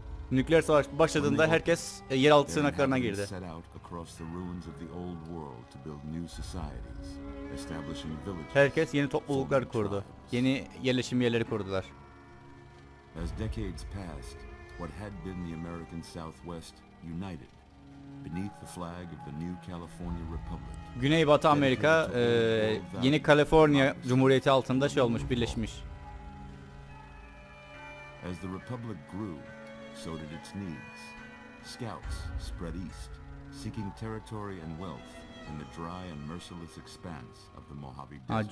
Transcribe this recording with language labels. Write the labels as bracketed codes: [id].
[tr] Nükleer savaş başladığında herkes yeraltı sığınaklarına girdi. [en] Set out across the ruins of the old world to build new societies, establishing villages. [tr] Herkes yeni topluluklar kurdu. Yeni yerleşim yerleri kurdular. [en] As decades passed, what had been the American Southwest united beneath the flag of the new California Republic. [tr] Güneybatı Amerika yeni Kaliforniya Cumhuriyeti altında şey olmuş, birleşmiş. [en] As the republic grew, so did its needs. Scouts spread east, seeking territory and wealth in the dry and merciless expanse of the Mojave Desert.